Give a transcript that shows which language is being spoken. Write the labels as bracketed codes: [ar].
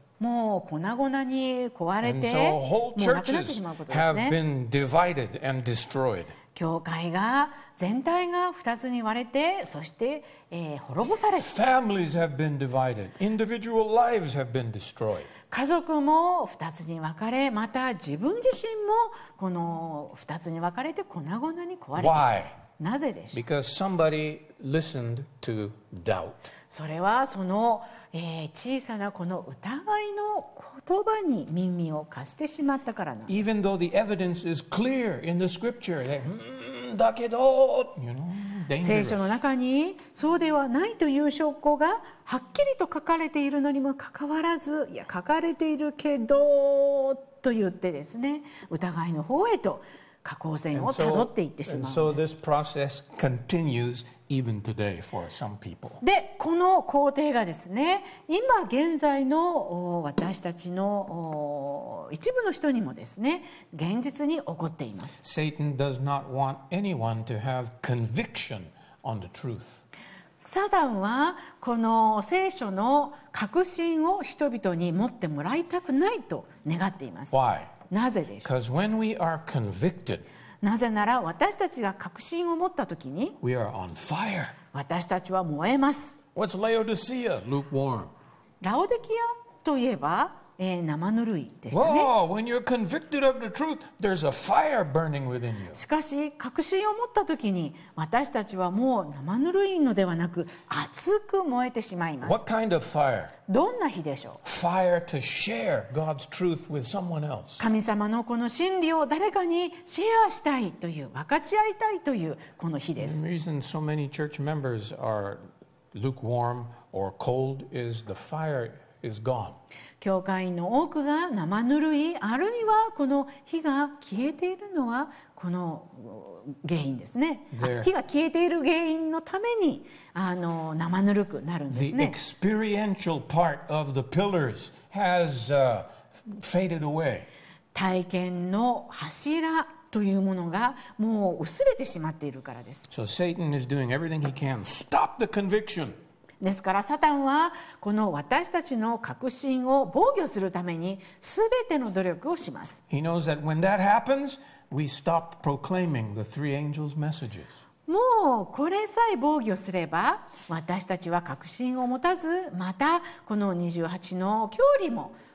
[ja] もう粉々に壊れて、もうなくなってしまうことですね。 [en] Have been divided and destroyed. [ja] 教会が全体が二つに割れて、そして、滅ぼされて。 [en] Families have been divided. Individual lives have been destroyed. [ja] 家族も二つに分かれ、また自分自身もこの二つに分かれて粉々に壊れて。 [en] Why? [ja] なぜでしょう。 [en] Because somebody listened to doubt. [ja] それはその小さなこの疑いの言葉に耳を貸してしまったからなんです。 [en] Even though the evidence is clear in the scripture, that, [ja] だけど、 [en] you know, dangerous. [ja] 聖書の中にそうではないという証拠がはっきりと書かれているのにもかかわらず、いや書かれているけどと言ってですね、疑いの方へと下降線をたどっていってしまうんです。 [en] And so this process continues. Even today for some people. [ja] で、この工程がですね、今現在の私たちの一部の人にもですね、現実に起こっています。 [en] Satan does not want anyone to have conviction on the truth. [ja] サタンはこの聖書の確信を人々に持ってもらいたくないと願っています。 [en] Why? [ja] なぜでしょう。 [en] Because when we are convicted, [ja] なぜなら私たちが確信を持ったときに [en] We are on fire. [ja] 私たちは燃えます。 [en] What's Laodicea, lukewarm? [ja] ラオデキアといえば、生ぬるいですね。 [en] Whoa, when you're convicted of the truth, there's a fire burning within you. [ja] しかし確信を持ったときに私たちはもう生ぬるいのではなく熱く燃えてしまいます。 [en] What kind of fire? [ja] どんな日でしょう。 [en] Fire to share God's truth with someone else. [ja] 神様のこの真理を誰かにシェアしたいという、分かち合いたいというこの日です。 [en] The reason so many church members are lukewarm or cold is the fire is gone. [ja] 教会員の多くが生ぬるい、あるいはこの火が消えているのはこの原因ですね。火が消えている原因のためにあの生ぬるくなるんですね。 [en] The experiential part of the pillars has faded away. [ja] 体験の柱というものがもう薄れてしまっているからです。 [en] So Satan is doing everything he can stop the conviction. [ja] ですからサタンはこの私たちの確信を防御するために全ての努力をします。 [en] He knows that when that happens, we stop proclaiming the three angels' messages. [ja] もうこれさえ防御すれば私たちは確信を持たず、またこの28の教理も